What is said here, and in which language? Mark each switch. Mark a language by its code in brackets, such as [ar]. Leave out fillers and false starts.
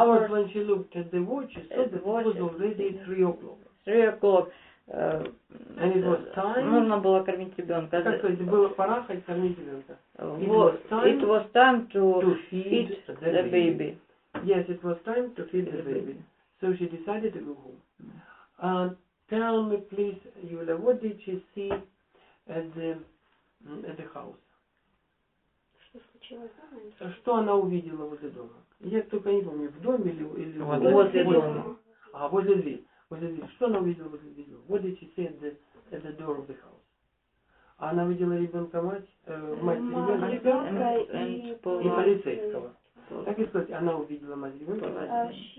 [en] when she looked at the watch, she saw that it was already 3 o'clock. 3 o'clock. And it was time. [ru] Нужно было кормить ребенка. Как то есть было пора ходить кормить ребенка. [en] It was time to feed the baby. Yes, it was time to feed the baby. So she decided to go home. Tell me, please, Yulia, what did she see at the house? [ru] Что случилось там? Что она увидела возле дома? Я только не помню, в доме или возле дома. А возле двери. Возле двери. Что она увидела возле двери? [en] What did she see at the door of the house? [ru] Она увидела ребенка мать ребенка [en] and [ru] и полицейского. Так и сказать, она увидела мать ребенка.